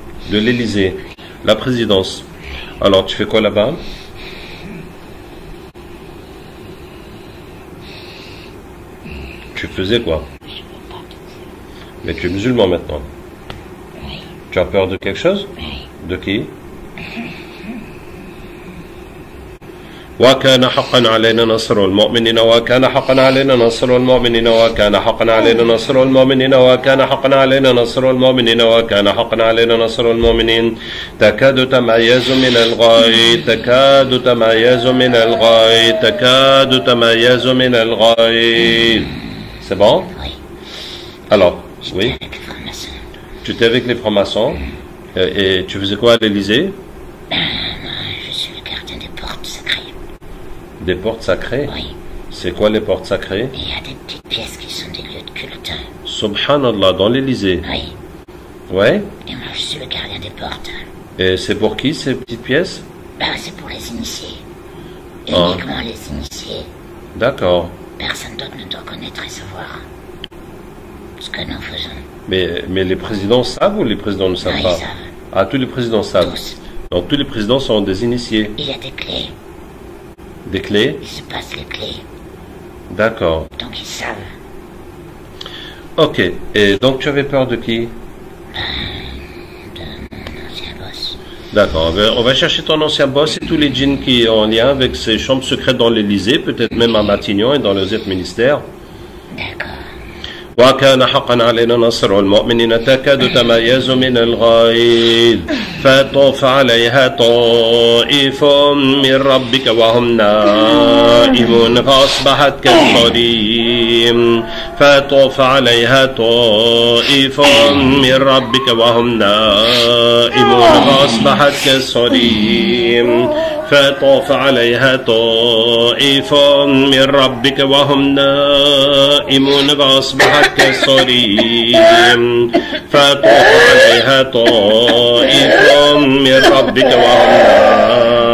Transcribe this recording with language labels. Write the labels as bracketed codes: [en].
[fr] De l'Élysée. La présidence. Alors, tu fais quoi là-bas? Tu faisais quoi? Je n'ai pas de... Mais tu es musulman maintenant. Oui. Tu as peur de quelque chose? Oui. De qui? [ar] وكان حقا علينا نصر المؤمنين وكان حقا علينا نصر المؤمنين وكان حقا علينا نصر المؤمنين وكان حقا علينا نصر المؤمنين وكان حقا علينا نصر المؤمنين تكاد تميز من الغيظ تكاد تميز من الغيظ تكاد تميز من الغيظ [fr] C'est bon? Oui. Alors, j'étais oui. Avec les francs-maçons. Tu étais avec les francs-maçons. Et tu faisais quoi à l'Élysée? Je suis le gardien des portes sacrées. Des portes sacrées? Oui. C'est quoi les portes sacrées? Il y a des petites pièces qui sont des lieux de culte. Subhanallah, dans l'Élysée? Oui. Ouais? Et moi, je suis le gardien des portes. Et c'est pour qui ces petites pièces? C'est pour les initiés. Uniquement les initiés. D'accord. Personne d'autre ne doit connaître et savoir ce que nous faisons. Mais les présidents savent ou les présidents ne savent non, pas? Ils savent. Ah, tous les présidents savent. Tous. Donc tous les présidents sont des initiés. Il y a des clés. Des clés? Ils se passent les clés. D'accord. Donc ils savent. Ok. Et donc tu avais peur de qui? De mon ancien boss. D'accord. On va chercher ton ancien boss et tous les djinns qui ont en lien avec ces chambres secrètes dans l'Élysée, peut-être même à Matignon et dans les autres ministères. D'accord. [ar] وكان حقا علينا نصر المؤمنين تكاد تميز من الغيظ فطوف عليها طائف من ربك وهم نائمون فأصبحت كالصريم فطوف عليها طائف من ربك وهم نائمون فأصبحت كالصريم فطوف عليها طائف من ربك وهم نائمون فأصبحت كالصريم فطوف عليها طائف من ربك وهم نائمون